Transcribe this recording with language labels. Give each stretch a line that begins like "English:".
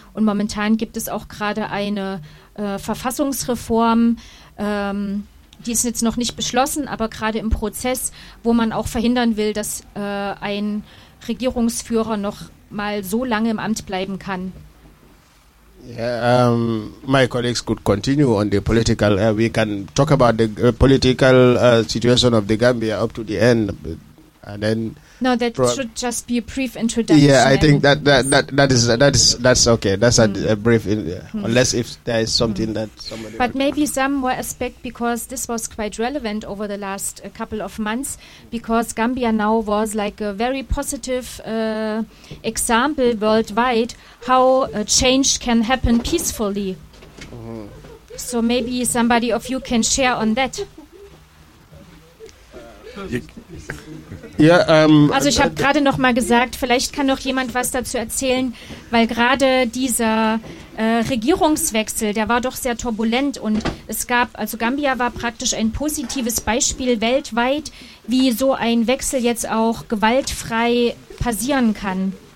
German: Und momentan gibt es auch gerade eine Verfassungsreform, die ist jetzt noch nicht beschlossen, aber gerade im Prozess, wo man auch verhindern will, dass ein Regierungsführer noch mal so lange im Amt bleiben kann.
English: Yeah, my colleagues could continue on the political. We can talk about the political situation of the Gambia up to the end, and then. No, that should just be a brief introduction. Yeah, I think that's okay. That's a brief, unless if there is something that somebody. But maybe talk. Some more aspect, because this was quite relevant over the last couple of months, because Gambia now was like a very positive example worldwide how change can happen peacefully. So maybe somebody of you can share on that.
German: Also ich habe gerade noch mal gesagt, vielleicht kann noch jemand was dazu erzählen, weil gerade dieser Regierungswechsel, der war doch sehr turbulent und es gab, also Gambia war praktisch ein positives Beispiel weltweit, wie so ein Wechsel jetzt auch gewaltfrei passieren kann.